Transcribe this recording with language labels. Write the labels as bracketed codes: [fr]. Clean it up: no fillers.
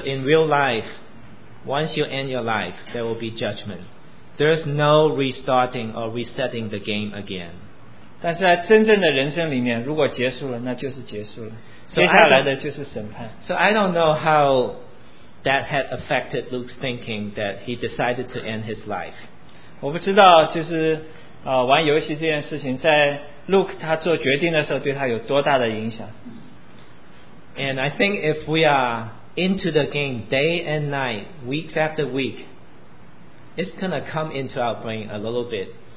[en] in real life, once you end your life, there will be judgment. There's no restarting or resetting the game again. [zh] 但是在真正的人生里面，如果结束了，那就是结束了。接下来的就是审判。 [en] So I don't know how that had affected Luke's thinking that he decided to end his life. [zh] 我不知道，就是玩游戏这件事情，在Luke他做决定的时候，对他有多大的影响。And [en] I think if we are into the game day and night, weeks after week, it's gonna come into our brain a little bit.